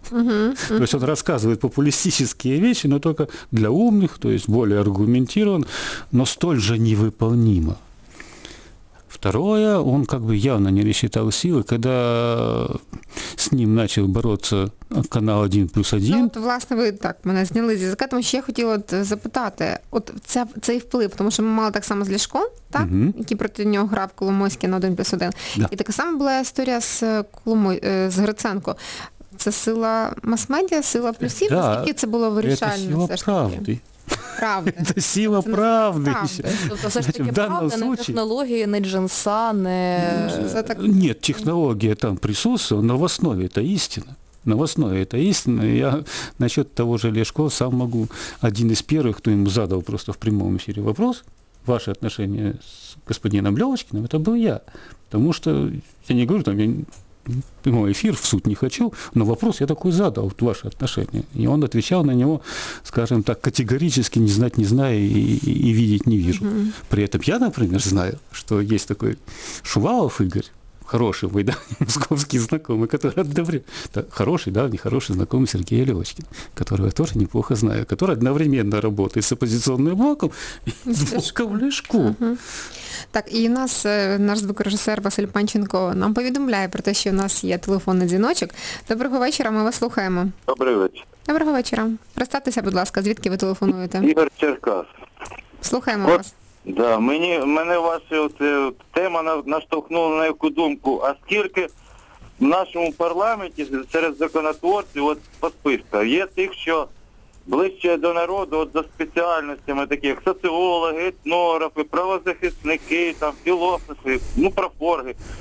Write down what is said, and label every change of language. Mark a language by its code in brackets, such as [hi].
[ru] То есть он рассказывает популистические вещи, но только для умных, то есть более аргументирован, но столь же невыполнимо. Второе, он как бы явно не рассчитал силы, когда с ним начал бороться канал 1+1. [uk] Ну, от, власне, ви так мене зняли зі зв'язка, тому що я хотіла запитати, от цей вплив, тому що ми мали так само з Ляшком, так? Який проти нього грав Коломойський на 1+1. Да. І така сама була історія з з Гриценко. Це сила мас-медіа, сила плюсів? Да, наскільки це було вирішальне? Це сила правди. Правди. Це сила правди. Тобто, все ж таки, правда, [ru] случае... [uk] не технології, не джинса, не... Ні, технологія там присутствує, але в основі це істина. [ru] Новостное это истинно. Я насчет того же Ляшко сам могу. Один из первых, кто ему задал просто в прямом эфире вопрос, ваше отношение с господином Левочкиным, это был я. Потому что я не говорю, там я прямой эфир в суд не хочу, но вопрос я такой задал, вот ваше отношение. И он отвечал на него, скажем так, категорически не знать не знаю и видеть не вижу. При этом я, например, знаю, что есть такой Шувалов Игорь, хороший мой, да, московский знакомый, который одновременно... Хороший, да, нехороший знакомый Сергей Левочкин, которого я тоже неплохо знаю, который одновременно работает с оппозиционным блоком и с блоком Ляшко. [uk] Так, і у нас наш звукорежисер Василь Панченко нам повідомляє про те, що у нас є телефонний дзвіночок. Доброго вечора, ми вас слухаємо. Добрий вечір. Доброго вечора. Представтеся, будь ласка, звідки ви телефонуєте? Ігор Черкас. Слухаємо вас. Да, мене ваша тема наштовхнула на яку думку, а скільки в нашому парламенті серед законотворців, от по списку, є тих, що ближче до народу, от за спеціальностями такі, як соціологи, етнографи, правозахисники, там, філософи, ну, профорги.